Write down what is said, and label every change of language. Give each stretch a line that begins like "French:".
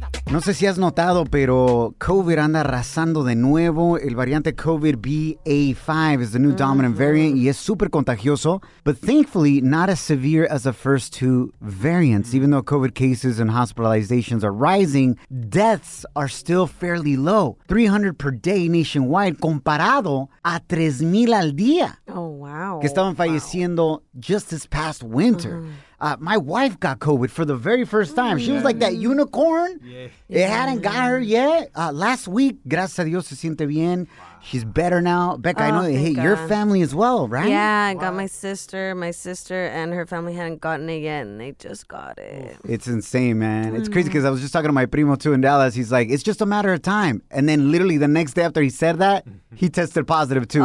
Spanish: No sé si has notado, pero COVID anda arrasando de nuevo. El variante
English: COVID BA5 is the new dominant variant
Spanish: y es súper contagioso.
English: But thankfully, not as severe as the first two variants. Even though COVID cases and hospitalizations are rising, deaths are still fairly low.
Spanish: 300
English: per day nationwide
Spanish: comparado a 3,000 al día. Oh, wow. Que estaban falleciendo
English: just this past winter. My wife got COVID for the very first time. She was like that unicorn. Yeah. It hadn't got her yet. Last week,
Spanish: gracias a Dios, se siente bien.
English: She's better now. Becca, I know it hit your family as well, right? Yeah, I got my sister. My sister and her family hadn't gotten it yet, and they just got it. It's insane, man. It's crazy because I was just talking to my primo, too, in Dallas. He's like, it's just a matter of time. And then literally the next day after he said that, he tested positive, too.